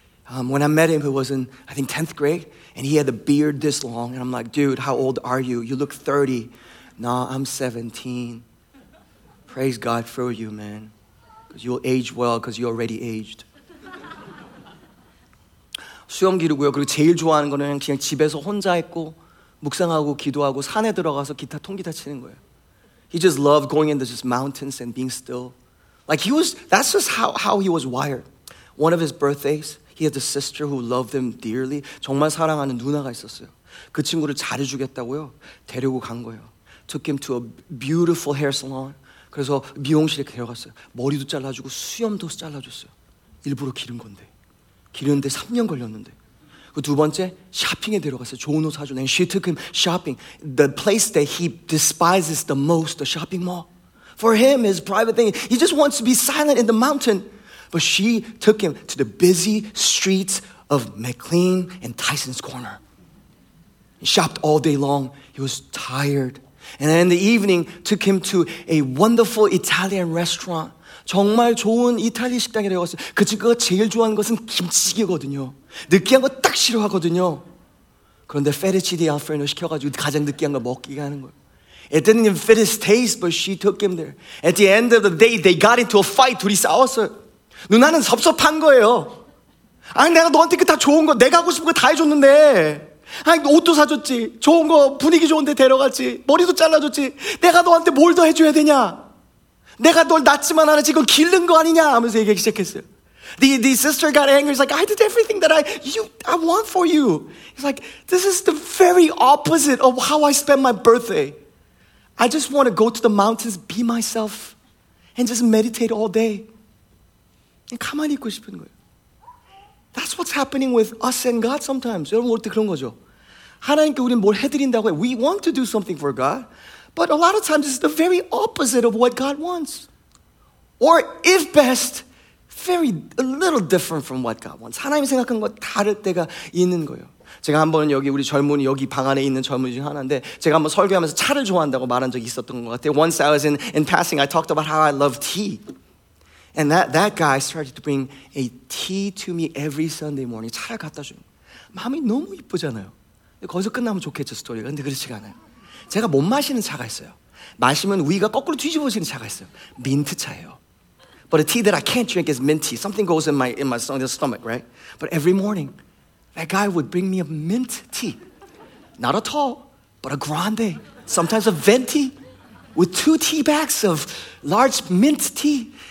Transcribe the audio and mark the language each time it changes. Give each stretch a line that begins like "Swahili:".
English: When I met him, he was in I think 10th grade, and he had a beard this long, and I'm like, dude, how old are you? You look 30. Nah, I'm 17. Praise God for you, man, because you'll age well because you already aged.
Korean: 수염 기르고요. 그리고 제일 좋아하는 거는 그냥 집에서 혼자 있고. 묵상하고 기도하고 산에 들어가서 기타 통기타 치는 거예요.
English: He just loved going into just mountains and being still. Like he was, that's just how he was wired. One of his birthdays, he had a sister who loved him dearly.
Korean: 정말 사랑하는 누나가 있었어요. 그 친구를 잘해주겠다고요. 데리고 간 거예요.
English: Took him to a beautiful hair salon.
Korean: 그래서 미용실에 데려갔어요. 머리도 잘라주고 수염도 잘라줬어요. 일부러 기른 건데. 기르는데 3년 걸렸는데. 그 두 번째 쇼핑에 들어갔어요. 좋은 옷 사주네.
English: She took him shopping. The place that he despises the most, the shopping mall. For him, his private thing. He just wants to be silent in the mountain. But she took him to the busy streets of McLean and Tyson's Corner. He shopped all day long. He was tired. And then in the evening, took him to a wonderful Italian restaurant.
Korean: 정말 좋은 이탈리 식당에 들어갔어요. 그 친구가 제일 좋아하는 것은 김치찌개거든요. 느끼한 거 딱 싫어하거든요. 그런데 페르치디 알프레노 시켜가지고 가장 느끼한 거 먹기가 하는 거예요.
English: It didn't even fit his taste, but she took him there. At the end of the day, they got into a fight.
Korean: 둘이 싸웠어요. 누나는 섭섭한 거예요. 아니 내가 너한테 그 다 좋은 거, 내가 하고 싶은 거 다 해줬는데. 아니 옷도 사줬지. 좋은 거, 분위기 좋은 데 데려갔지. 머리도 잘라줬지. 내가 너한테 뭘 더 해줘야 되냐. 내가 널 낳지만 않아 지금 기른 거 아니냐 하면서 얘기하기 시작했어요.
English: The sister got angry. He's like, I did everything that I want for you. He's like, this is the very opposite of how I spend my birthday. I just want to go to the mountains, be myself, and just meditate all day.
Korean: 가만히 있고 싶은 거예요.
English: That's what's happening with us and God sometimes.
Korean: 여러분, 어때 그런 거죠? 하나님께 우린 뭘 해드린다고 해.
English: We want to do something for God, but a lot of times it's the very opposite of what God wants. Or if best, very a little different from what God wants.
Korean: 하나님 생각한 거 다를 때가 있는 거예요. 제가 한번 여기 우리 젊은이 여기 방 안에 있는 젊은이 중 하나인데 제가 한번 설교하면서 차를 좋아한다고 말한 적이 있었던 것 같아요.
English: Once I was in passing, I talked about how I love tea. And that guy started to bring a tea to me every Sunday morning.
Korean: 차를 갖다 주는 마음이 너무 이쁘잖아요. 거기서 끝나면 좋겠죠, 스토리가. 근데 그렇지 않아요. 제가 못 마시는 차가 있어요. 마시면 위가 거꾸로 뒤집어지는 차가 있어요. 민트 차예요.
English: But a tea that I can't drink is mint tea. Something goes in my stomach, right? But every morning, that guy would bring me a mint tea. Not a tall, but a grande. Sometimes a venti with two tea bags of large mint tea.